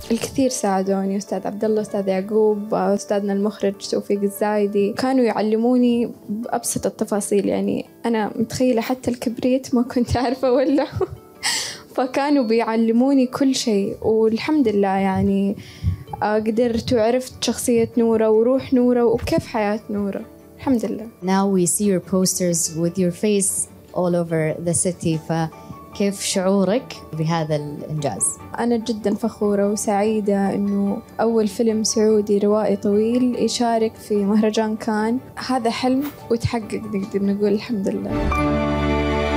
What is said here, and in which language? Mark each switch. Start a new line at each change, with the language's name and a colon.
Arabic: الكثير ساعدوني، أستاذ عبد الله، أستاذ يعقوب، أستاذنا المخرج توفيق الزايدي، كانوا يعلموني بأبسط التفاصيل. يعني أنا متخيلة حتى الكبريت ما كنت أعرفه ولا، فكانوا بيعلموني كل شيء، والحمد لله يعني قدرت وعرفت شخصية نورة وروح نورة وكيف حياة نورة، الحمد لله.
English: Now we see your posters with your face all over the city.
Arabic: فكيف شعورك بهذا الإنجاز؟ أنا جدا فخورة وسعيدة إنه أول فيلم سعودي روائي طويل يشارك في مهرجان كان. هذا حلم وتحقق، نقدر نقول الحمد لله.